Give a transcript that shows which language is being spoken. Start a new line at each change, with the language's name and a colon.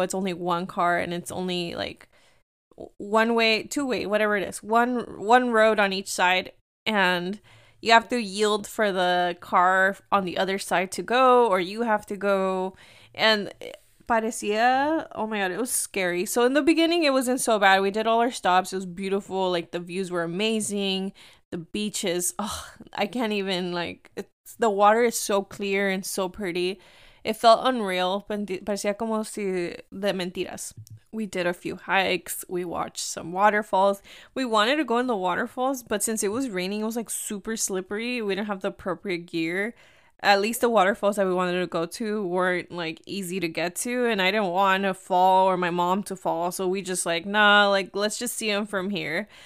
English: It's only one car, and it's only like one way, two way, whatever it is, one road on each side, and you have to yield for the car on the other side to go, or you have to go. And parecía, oh my god, it was scary. So in the beginning, it wasn't so bad. We did all our stops, it was beautiful, like the views were amazing, the beaches, oh, I can't even, like, it's, the water is so clear and so pretty. It felt unreal.
Spanish: Parecía como si de mentiras.
English: We did a few hikes. We watched some waterfalls. We wanted to go in the waterfalls, but since it was raining, it was like super slippery. We didn't have the appropriate gear. At least the waterfalls that we wanted to go to weren't like easy to get to. And I didn't want to fall or my mom to fall. So we just like, nah, like, let's just see them from here.